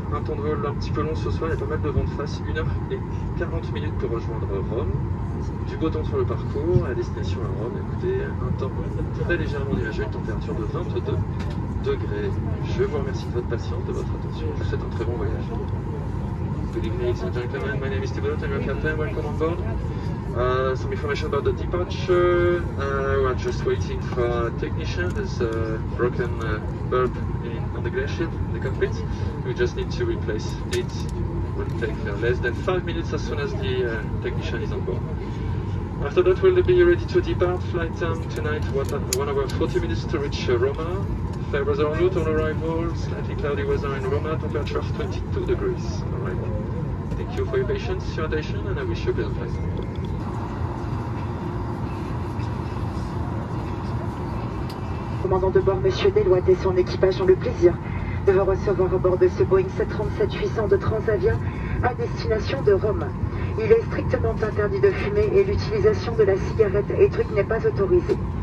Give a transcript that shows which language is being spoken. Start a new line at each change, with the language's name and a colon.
French: Un temps de vol un petit peu long ce soir, il y a pas mal de vent de face, 1h40 pour rejoindre Rome. Du beau temps sur le parcours, la destination à Rome, écoutez, un temps très légèrement nuageux, une température de 22 degrés. Je vous remercie de votre patience, de votre attention, je vous souhaite un très bon voyage.
English: Good evening, ladies and gentlemen, my name is Thibault, I'm your captain, welcome on board. Some information about the departure. We are just waiting for a technician. There's a broken bulb on the glass sheet in the cockpit. We just need to replace it. It will take less than 5 minutes as soon as the technician is on board. After that, we'll be ready to depart. Flight time tonight, 1 hour 40 minutes to reach Roma. Fair weather en route on arrival. Slightly cloudy weather in Roma. Temperature of 22 degrees. All right. Thank you for your patience, your attention, and I wish you a pleasant flight.
French: Commandant de bord, Monsieur Deloitte et son équipage ont le plaisir de vous recevoir à bord de ce Boeing 737-800 de Transavia à destination de Rome. Il est strictement interdit de fumer et l'utilisation de la cigarette et trucs n'est pas autorisée.